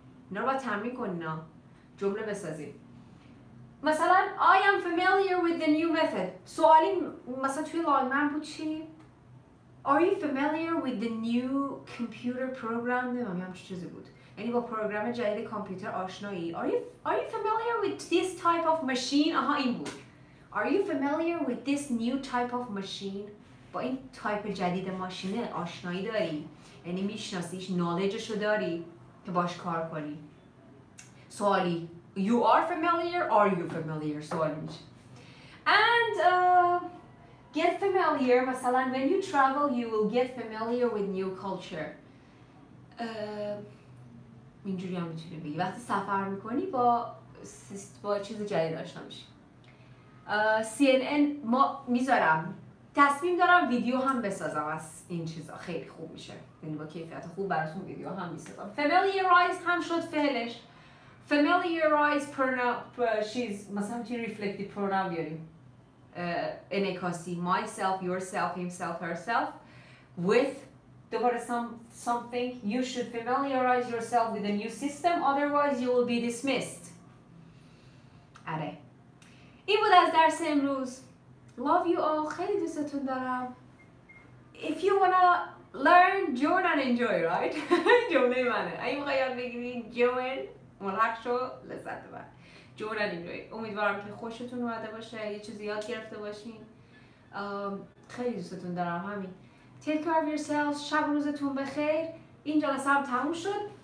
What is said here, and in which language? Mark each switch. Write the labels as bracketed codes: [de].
[fa] اینا رو با تمرین کنینا، جمله بسازیم. [en] مثلا I am familiar with the new method. [fa] سوالی مثلا توی لاین من بود چی؟ [en] Are you familiar with the new computer program? [fa] نمیدونم چه چیزی بود. یعنی با پروگرام جدید کامپیوتر آشنایی. [en] Are you familiar with this type of machine? [fa] آها این بود. [en] Are you familiar with this new type of machine? [fa] با این تایپ جدید ماشینه آشنایی داری؟ یعنی میشناسیش، نالجشو داری که باش کار کنی. [en] سوالی. You are familiar? Are you familiar? [fa] سوالی میشه. [en] And get familiar. مثلا when you travel you will get familiar with new culture. [fa] اینجوری هم میتونی بگی وقتی سفر میکنی با چیز جدید آشنا میشی. CNN ما میذارم، تصمیم دارم ویدیو هم بسازم از این چیزا، خیلی خوب میشه، یعنی با کیفیت خوب براتون ویدیو هم میسازم. familiarize هم شد فعلش. familiarize pronoun مثلا میتونی reflective pronoun بیاریم، انعکاسی، myself، yourself، himself، herself، with، دوباره something. [en] you should familiarize yourself with a new system otherwise you will be dismissed. [fa] آره این بود از درس امروز. [en] love you all، [fa] خیلی دوستتون دارم. [en] if you wanna learn join and enjoy right. [fa] جمله منه، اگه میخوای یاد بگیری join، ملحق شو، لذت ببر. جون علی نوی، امیدوارم که خوشتون اومده باشه، یه چیزی یاد گرفته باشین. خیلی دوستتون دارم همین. [en] Take care of yourselves. [fa] شب و روزتون بخیر. این جلسه هم تموم شد.